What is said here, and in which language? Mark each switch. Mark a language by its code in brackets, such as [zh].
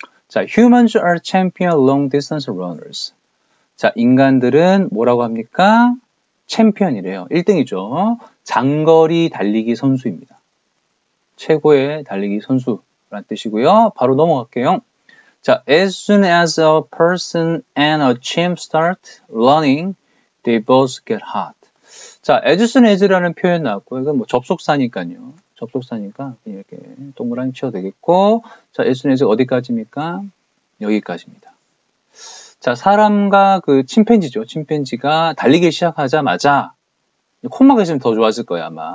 [en] 자, humans are champion long distance runners. [ko] 자, 인간들은 뭐라고 합니까? 챔피언이래요. 1등이죠. 장거리 달리기 선수입니다. 최고의 달리기 선수란 뜻이고요. 바로 넘어갈게요. [en] 자, as soon as a person and a chimp start running, they both get hot. [ko] 자, as soon as라는 표현 나왔고, 이건 뭐 접속사니까요. 접속사니까 이렇게 동그라미 치워도 되겠고, 자, as soon as 어디까지입니까? 여기까지입니다. 자, 사람과 그 침팬지죠. 침팬지가 달리기 시작하자마자, 콤마가 있으면 더 좋아질 거야, 아마.